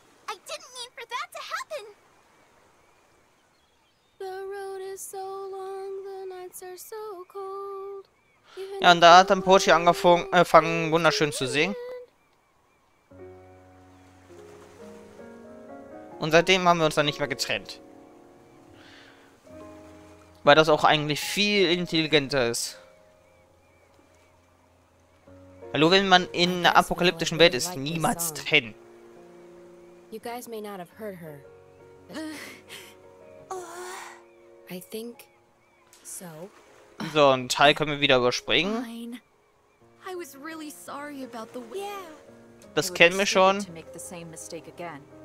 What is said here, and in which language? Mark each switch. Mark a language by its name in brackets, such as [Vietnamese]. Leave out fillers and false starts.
[English] I didn't mean for that to happen. The road is so long, the nights are so cold. [German] Ja, und da hat dann Pochi angefangen, wunderschön zu singen. Und seitdem haben wir uns dann nicht mehr getrennt. Weil das auch eigentlich viel intelligenter ist. Hallo, wenn man in einer apokalyptischen Welt ist, niemals trennen. [English] You guys may not have heard her. I think so. [German] So, ein Teil können wir wieder überspringen. [English] I was really sorry about the way. [German] Das kennen wir schon. [English] To make the same mistake again.